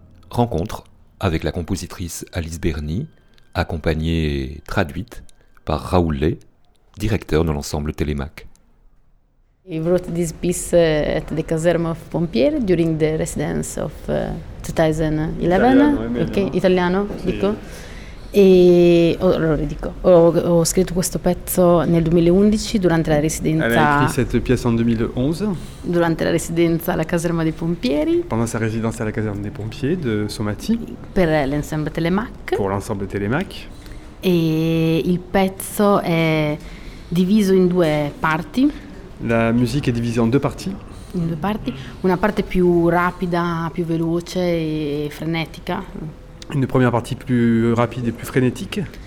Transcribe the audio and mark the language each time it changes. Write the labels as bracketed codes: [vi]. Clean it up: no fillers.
[fr] Rencontre avec la compositrice Alice Berny, accompagnée et traduite par Raoul Lay, directeur de l'ensemble Télémaque. [en] He wrote this piece at the [fr] caserne [en] of [fr] pompiers [en] during the residence of 2011. [it] Italiano, okay, italiano, sì. Dico. E allora dico, ho scritto questo pezzo nel 2011 durante la residenza. [fr] Elle a écrit cette pièce en 2011. [it] Durante la residenza alla caserma dei pompieri. [fr] Pendant sa résidence à la caserne des pompiers de Somatie. [it] Per l'ensemble Télémac. [fr] Pour l'ensemble Télémac. [it] E il pezzo è diviso in due parti. [fr] La musique est divisée en deux parties. [it] In due parti, una parte più rapida, più veloce e frenetica. [fr] Une première partie plus rapide et plus frénétique.